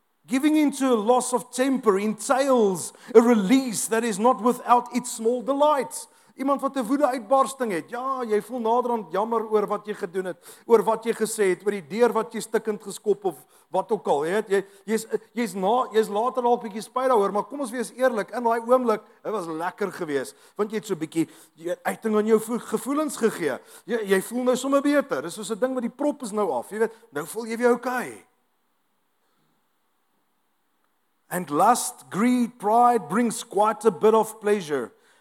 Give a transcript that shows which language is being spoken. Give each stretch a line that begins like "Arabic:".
English: Giving in to a loss of temper entails a release that is not without its small delights.
Afrikaans: Iemand wat 'n woede-uitbarsting het, ja, jy voel naderhand jammer oor wat jy gedoen het, oor wat jy gesê het, oor die deur wat jy stikkend geskop of wat ook al. Jy is later al 'n bietjie spyt daaroor, maar kom ons wees eerlik, in daai oomblik, dit was lekker geweest, want jy het so 'n bietjie uiting aan jou gevoelens gegee. Jy voel nou sommer beter. Dis soos 'n ding wat die prop is nou af, jy weet, nou voel jy weer okay.
English: And lust, greed, pride brings quite a bit of pleasure.